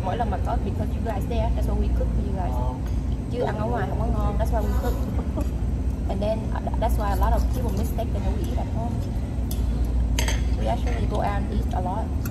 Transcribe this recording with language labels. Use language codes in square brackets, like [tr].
[vi] Mỗi lần mà có [en] because you guys there, that's why we cook for you guys. [vi] Chứ ăn ở ngoài không có ngon, [en] that's why we cook. And then that's why a lot of people mistake that we eat at home. We actually go out and eat a lot.